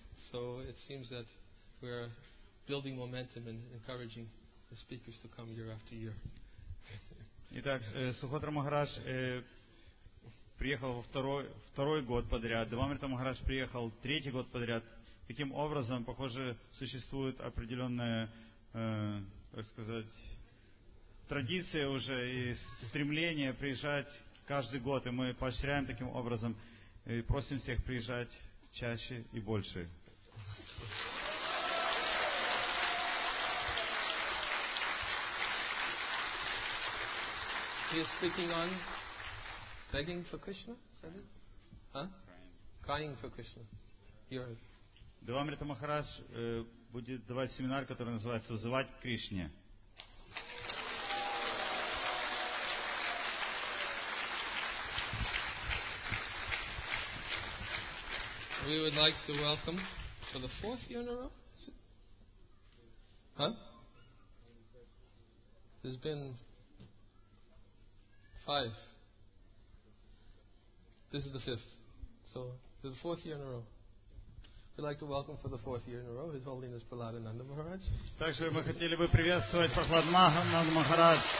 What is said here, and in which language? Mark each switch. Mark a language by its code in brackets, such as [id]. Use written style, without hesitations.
[en] So it seems that we're building momentum and encouraging the speakers to come year after year. [ru] Итак, Сухотра Махарадж приехал второй год подряд, Девамрита Махарадж приехал третий год подряд. Таким образом, похоже, существует определенная, так сказать, традиция уже и стремление приезжать каждый год. И мы поощряем таким образом и просим всех приезжать чаще и больше. [en] He is speaking on begging for Krishna, is that it? Huh? Crying for Krishna. You're [ru] Девамрита Махарадж будет давать семинар, который называется «Взывать к Кришне». [en] We would like to welcome for the fourth year in a row. There's been five. This is the fifth. So this is the fourth year in a row. We'd like to welcome for the fourth year in a row His Holiness Prahladananda Maharaj. [ru] Также мы хотели бы приветствовать Прахладананда Махарадж.